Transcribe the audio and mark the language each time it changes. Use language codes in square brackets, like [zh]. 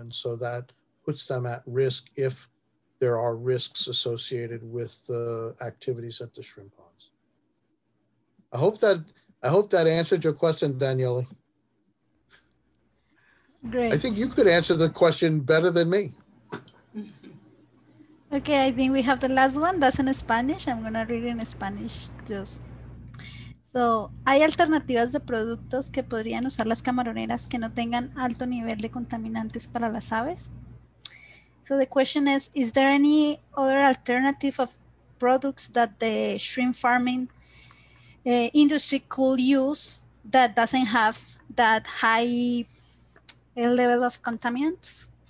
[en] And so that puts them at risk if there are risks associated with the activities at the shrimp ponds. I hope that answered your question, Daniele. Great. I think you could answer the question better than me. Okay, I think we have the last one. That's in Spanish. I'm going to read it in Spanish. Just so, [es] ¿hay alternativas de productos que podrían usar las camaroneras que no tengan alto nivel de contaminantes para las aves? [en] So the question is there any other alternative of products that the shrimp farming industry could use that doesn't have that high level of contaminants?